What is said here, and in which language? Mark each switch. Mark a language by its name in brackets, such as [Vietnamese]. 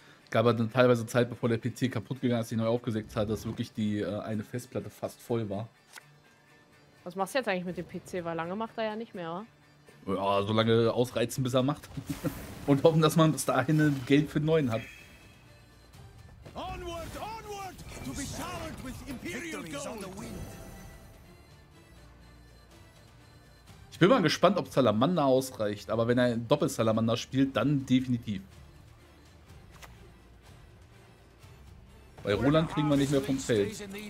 [German] Gab aber dann teilweise Zeit, bevor der PC kaputt gegangen ist, die neu aufgesägt hat, dass wirklich die eine Festplatte fast voll war. Was machst du jetzt eigentlich mit dem PC? Weil lange macht er ja nicht mehr, oder? Ja, so lange ausreizen, bis er macht. Und hoffen, dass man bis dahin Geld für den neuen hat. [English] Onward, onward, to be showered with Imperial gold. [German] Ich bin mal gespannt, ob Salamander ausreicht. Aber wenn er Doppel-Salamander spielt, dann definitiv. Bei Roland kriegen wir nicht mehr vom Feld.